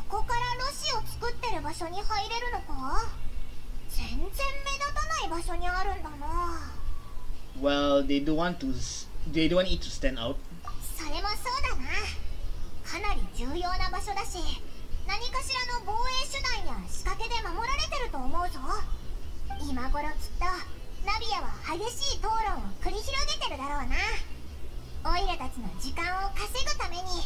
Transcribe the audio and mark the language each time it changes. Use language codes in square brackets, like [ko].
[ja] ここからロシを作ってる場所に入れるのか。全然目立たない場所にあるんだな。 [en] Well, they don't want it to stand out. [ja] それもそうだな。かなり重要な場所だし、何かしらの防衛手段や仕掛けで守られてると思うぞ。今頃きっとナビアは激しい討論を繰り広げてるだろうな。オイラたちの時間を稼ぐために。